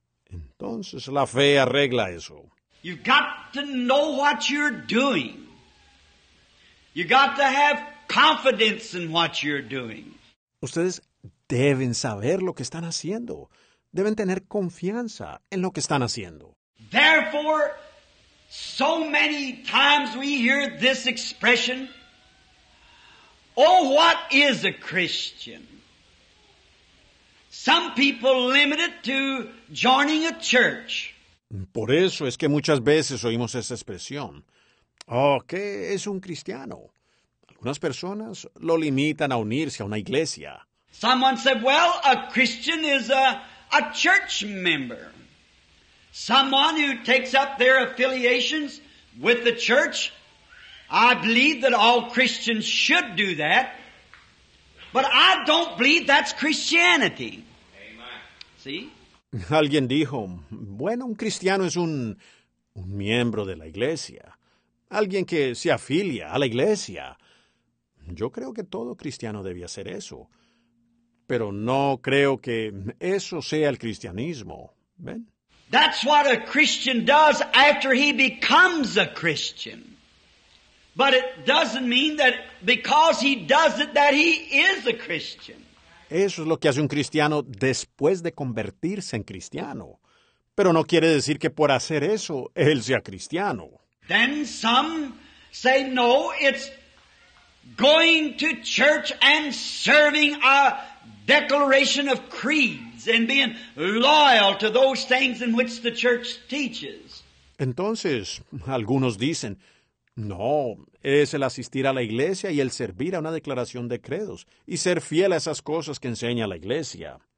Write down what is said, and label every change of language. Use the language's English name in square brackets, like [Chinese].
[Spanish] Entonces la fe arregla eso. [English] You've got to know what you're doing. You got to have confidence in what you're doing. [Spanish] Ustedes deben saber lo que están haciendo. Deben tener confianza en lo que están haciendo. [English] Therefore, so many times we hear this expression, oh, what is a Christian? Some people limit it to joining a church. [Spanish] Por eso es que muchas veces oímos esa expresión. Oh, ¿qué es un cristiano? Algunas personas lo limitan a unirse a una iglesia. [English] Someone said, well, a Christian is a church member. Someone who takes up their affiliations with the church. I believe that all Christians should do that. But I don't believe that's Christianity. Amen. See? [Spanish] Alguien dijo, bueno, un cristiano es un miembro de la iglesia. Alguien que se afilia a la iglesia. Yo creo que todo cristiano debe hacer eso. Pero no creo que eso sea el cristianismo. ¿Ven? [English] That's what a Christian does after he becomes a Christian. But it doesn't mean that because he does it that he is a Christian. [Spanish] Eso es lo que hace un cristiano después de convertirse en cristiano. Pero no quiere decir que por hacer eso él sea cristiano. [English] Then some say, no, it's going to church and serving a declaration of creeds and being loyal to those things in which the church teaches. [Spanish] Entonces, algunos dicen, no, es el asistir a la iglesia y el servir a una declaración de credos y ser fiel a esas cosas que enseña la iglesia.